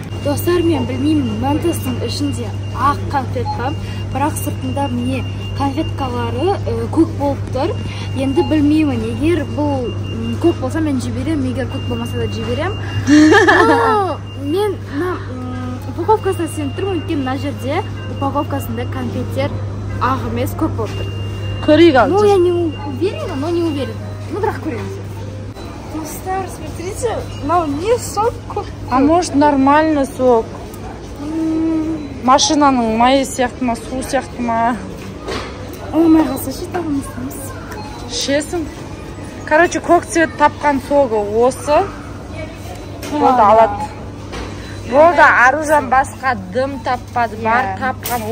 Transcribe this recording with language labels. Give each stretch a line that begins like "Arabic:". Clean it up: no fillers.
Kazakh: Достар, мен білмеймін, мантастың ішінде ақ конфет бар, бірақ сыртында міне конфеткалары көк болып тұр. Енді білмеймін, егер бұл көк болса, мен жіберем, егер көк болмаса да жіберем. Мен упаковкасына сеніп тұрмын, өйткені мына жерде упаковкасында конфеттер ақ емес, көк болып тұр. Көрейік ал.
Russian: Ну, я не уверена, но не уверена. Ну,
Kazakh: бірақ көреміз. Достар,
Russian: смотрите,
Kazakh: мынау не сок көк.
Russian: А может нормально сок?
Kazakh: Машинаның майы сияқты ма, суы сияқты ма? Алмай қалса ше, табамыз. Ішесің. Короче, көк цвет тапқан согы осы. Болды, алады. Болды, Аружан басқа дым таппады, бар тапқан.